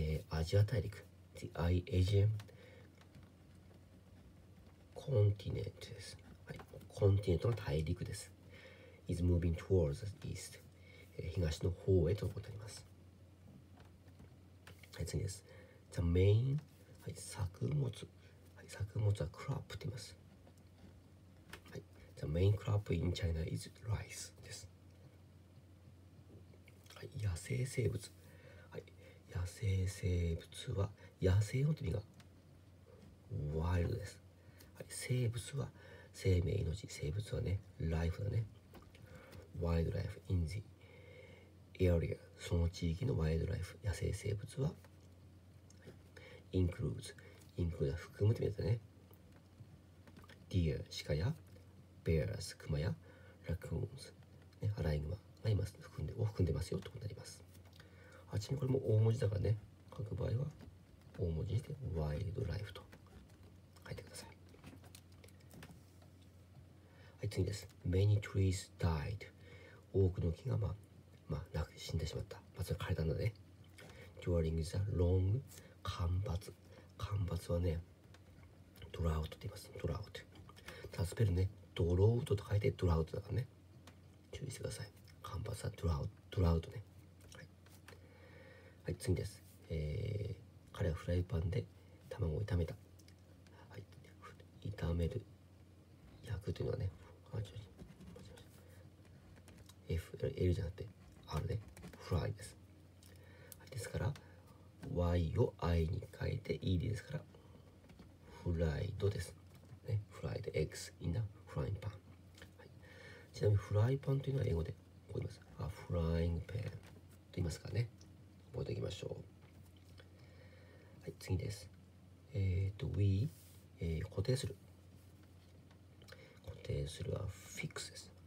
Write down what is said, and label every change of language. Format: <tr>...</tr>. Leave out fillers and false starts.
<ja>アジア大陸、</ja> <en>The Asian Continent です。</en> <ja>はい、コンティネントの大陸です。</ja> <en>Is moving towards the east、</en> <ja>東の方へということになります。はい、次です。</ja> <en>The main、</en> <ja>はい、作物、はい、作物は crop って言います。</ja> <en>はい、The main crop in China is rice です。</en> <ja>はい、野生生物、はい、野生生物は野生の意味が wild です。はい、生物は生命、命、生物はね、life だね。</ja> <en>Wildlife in the area、</en> <ja>その地域の</ja> <en>wildlife、 野生生物はincludes</en> <ja>インクルード含むってみたね。Deer、鹿や、Bears、熊や、Raccoons、ね、アライグマがいます含んで。を含んでますよってことになります。あ、ちなみにこれも大文字だからね、書く場合は大文字にして Wildlife と書いてください。</ja> <en>はい、次です。Many trees died。</en> <ja>多くの木が、死んでしまった。まあ、それ枯れたんだね。</ja> <en>During the long 干ばつ。</en> <ja>干ばつはね、ドラウトって言います。ドラウト。ただスペルね、ドロウトと書いてドラウトだからね。注意してください。干ばつはドラウト、ドラウトね。はい。はい、次です。彼はフライパンで卵を炒めた。はい。炒める。焼くというのはね、FL じゃなくて R ね、フライです。ですから、Y を I に変えて ED ですから、フライドです。</ja> <en>ね、フライド、X in a frying pan。</en> <ja>はい、ちなみに、フライパンというのは英語でこう言います。</ja> <en>A frying pan</en> <ja>と言いますからね。覚えておきましょう。はい、次です。 We、固定する。固定するは fix です。</ja>